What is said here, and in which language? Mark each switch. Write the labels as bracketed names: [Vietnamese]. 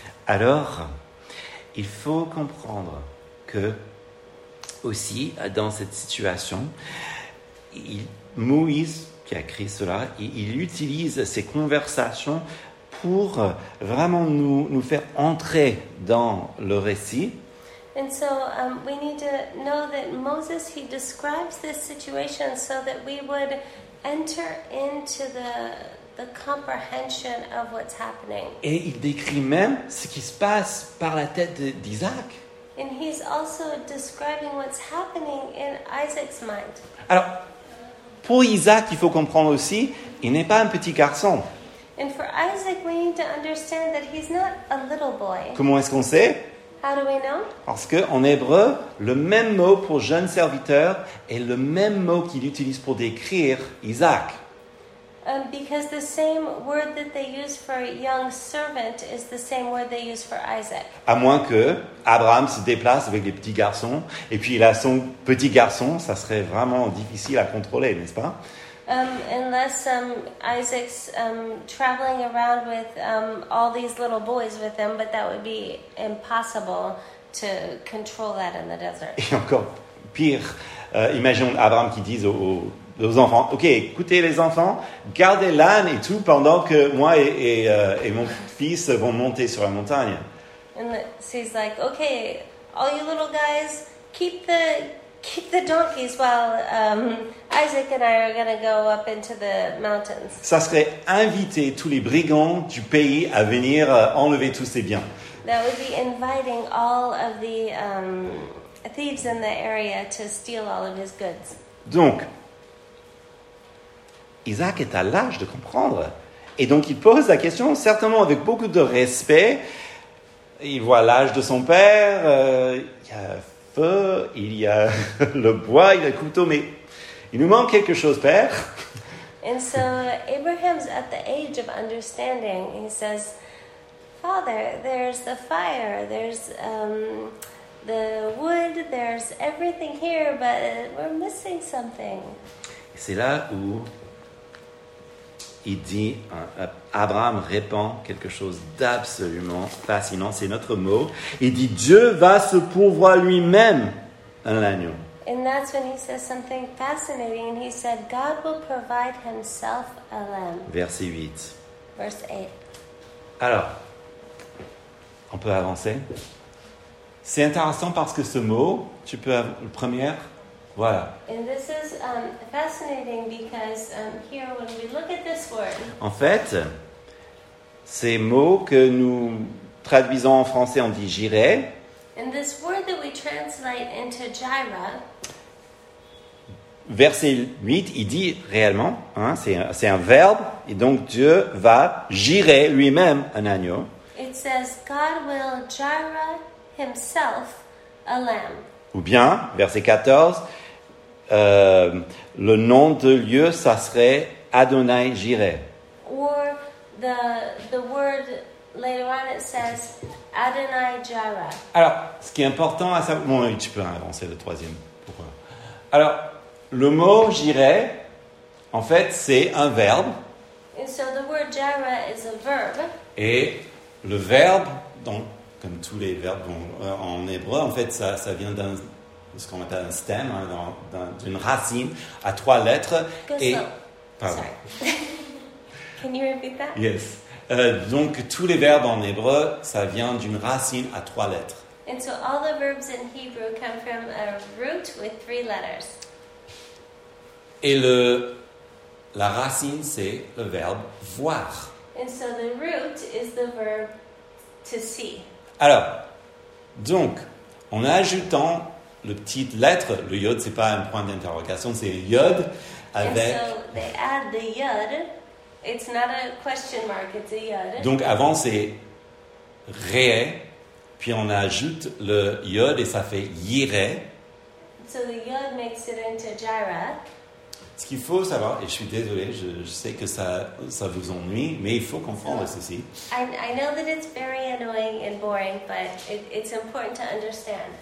[French] Alors, il faut comprendre que, aussi, dans cette situation, Moïse, qui a écrit cela, il utilise ces conversations pour vraiment nous faire entrer dans le récit. [English] And so we need to know that Moses, he describes this situation so that we would enter into the comprehension of what's happening. [French] Et il décrit même ce qui se passe par la tête d'Isaac. [English] And he's also describing what's happening in Isaac's mind. [French] Alors, pour Isaac, il faut comprendre aussi, il n'est pas un petit garçon. [English] And for Isaac, we need to understand that he's not a little boy. [French] Comment est-ce qu'on sait? [English] How do we know? [French] Parce qu'en hébreu, le même mot pour jeune serviteur est le même mot qu'il utilise pour décrire Isaac. [English] Because the same word that they use for young servant is the same word they use for Isaac. [French] À moins que Abraham se déplace avec les petits garçons, et puis il a son petit garçon, ça serait vraiment difficile à contrôler, n'est-ce pas? [English] Unless Isaac's traveling around with all these little boys with him, but that would be impossible to control that in the desert. [French] Et encore pire, imagine Abraham qui dise aux enfants, ok, écoutez les enfants, gardez l'âne et tout pendant que moi et mon fils vont monter sur la montagne. [English] And he's like, okay, all you little guys, keep the donkeys while Isaac and I are gonna go up into the mountains. [French] Ça serait inviter tous les brigands du pays à venir enlever tous ses biens. [English] That would be inviting all of the thieves in the area to steal all of his goods. [French] Donc Isaac est à l'âge de comprendre. Et donc, il pose la question, certainement avec beaucoup de respect. Il voit l'âge de son père. Il y a feu, il y a le bois, il y a le couteau. Mais il nous manque quelque chose, père. [English] And so, Abraham's at the age of understanding. He says, Father, there's the fire, there's the wood, there's everything here, but we're missing something. [French] C'est là où il dit, Abraham répand quelque chose d'absolument fascinant, c'est notre mot. Il dit, Dieu va se pourvoir lui-même un agneau. [English] And that's when he says something fascinating. He said, God will provide himself a lamb. [French] Verset 8. [English] Verse 8. [French] Alors, on peut avancer. C'est intéressant parce que ce mot, tu peux avoir le premier. Voilà. [English] And this is fascinating because here when we look at this word. [French] En fait, ces mots que nous traduisons en français, on dit j'irai. [English] And this word that we translate into gyra. [French] Verset 8, il dit réellement, hein, c'est un verbe, et donc Dieu va gyrer lui-même un agneau. [English] It says God will gyra himself a lamb. [French] Ou bien, verset 14, le nom de lieu, ça serait Adonai Jireh. [English] Or the word later on it says Adonai Jireh. [French] Alors, ce qui est important à savoir, bon, tu peux avancer le troisième. Pourquoi? Alors, le mot Jireh, en fait, c'est un verbe. [English] And so the word Jireh is a verb. [French] Et le verbe, donc, comme tous les verbes en hébreu, en fait, ça vient d'un ce qu'on appelle un stem, hein, d'une racine à trois lettres. Et, [English] pardon. Sorry. Can you repeat that? Yes. [French] Donc, tous les verbes en hébreu, ça vient d'une racine à trois lettres. [English] And so all the verbs in Hebrew come from a root with three letters. [French] Et la racine, c'est le verbe voir. [English] And so the root is the verb to see. [French] Alors, donc, en ajoutant le petit lettre, le yod, c'est pas un point d'interrogation, c'est yod avec. [English] And so they add the yod. It's not a question mark, it's a yod. [French] Donc avant c'est ré, puis on ajoute le yod et ça fait yiré. [English] So the yod makes it into gyra. [French] Ce qu'il faut savoir, et je suis désolé, je sais que ça vous ennuie, mais il faut comprendre ceci. [English] I know that it's very annoying and boring, but it's important to understand.